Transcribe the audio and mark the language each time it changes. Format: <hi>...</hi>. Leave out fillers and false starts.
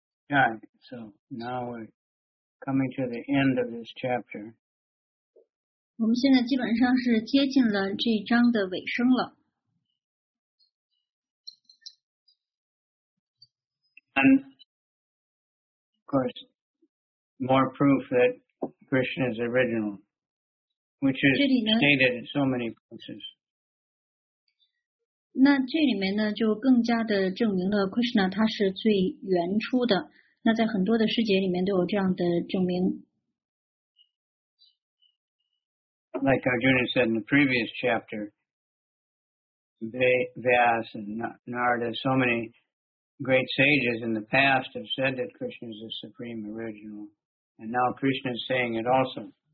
<en>Right, so now we're coming to the end of this chapter.</en> <zh>我们现在基本上是接近了这章的尾声了。</zh> <en>And of course, more proof that Krishna is original, which is stated in so many places.</en> <zh>那这里面呢，就更加的证明了 Krishna 他是最原初的。那在很多的师节里面都有这样的证明。</zh> <en>Like Arjuna said in the previous chapter, Vyas and Narada, so many great sages in the past have said that Krishna is the supreme original, and now Krishna is saying it also.</en>